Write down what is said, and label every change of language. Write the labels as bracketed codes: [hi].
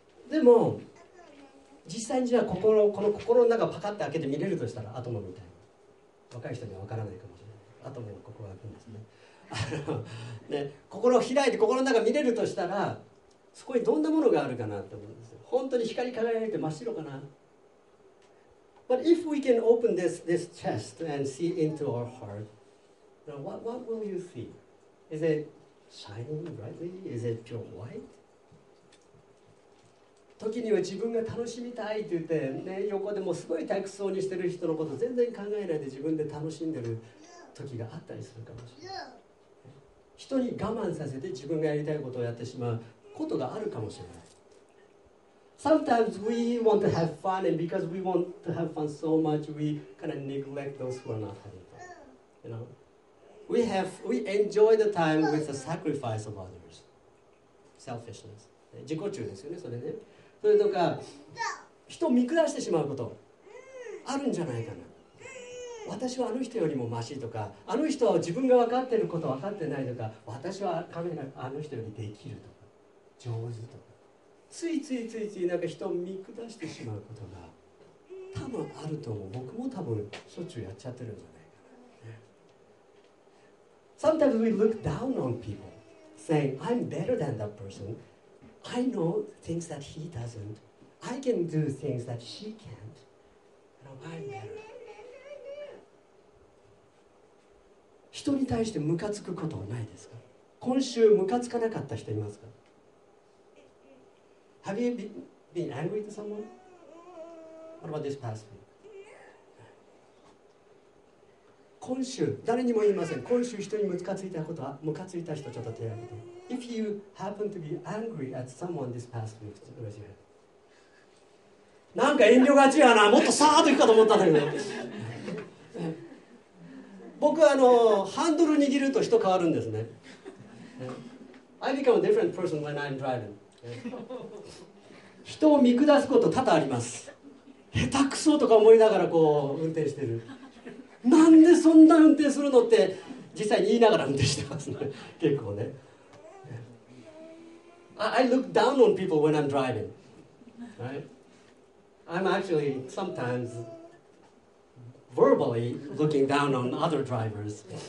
[ja] でも実際にじゃあ心、この心の中パカッて開けて見れるとしたら、アトムみたいな若い人にはわからないかも。アトムの心が開くんですね。で、心を開いて心の中見れるとしたら、そこにどんなものがあるかなと思うんですよ。本当に光り輝いて真っ白かな。 [en] But if we can open this chest and see into our heart, what will you see? Is it shining brightly? Is it pure white? [ja] 時には自分が楽しみたいと言って、ね、横でもすごい退屈そうにしてる人のこと全然考えないで自分で楽しんでる時があったりするかもしれない。人に我慢させて自分がやりたいことをやってしまうことがあるかもしれない。 [en] Sometimes we want to have fun, and because we want to have fun so much, we kind of neglect those who are not having fun. You know, we enjoy the time with the sacrifice of others. Selfishness. [ja] 自己中ですよね、それね。それとか、人を見下してしまうこと、あるんじゃないかな。私はあの人よりもマシとか、あの人は自分が分かっていること分かってないとか、私は神があの人よりできるとか、上手とか。ついついついついなんか人を見下してしまうことが多分あると思う。僕も多分しょっちゅうやっちゃってるんじゃないかな。 [en] Sometimes we look down on people, saying, I'm better than that person. I know things that he doesn't. I can do things that she can't. And I'm better. [ja] 人に対してムカつくことはないですか？今週ムカつかなかった人いますか？ [en] Have you been angry to someone? What about this past week? [ja] 今週、誰にも言いません。今週人にムカついたことは、ムカついた人ちょっと手を挙げて。 [en] If you happen to be angry at someone this past week, raise your hand. [ja] なんか遠慮がちやな。もっとさーっと行くかと思ったんだけど。僕はハンドル握ると人変わるんですね。 [en] I become a different person when I'm driving. [ja] 人を見下すこと多々あります。下手くそとか思いながらこう運転してる。なんでそんな運転するのって実際に言いながら運転してますね。結構ね。 [en] I look down on people when I'm driving. Right? I'm actually sometimes verbally looking down on other drivers.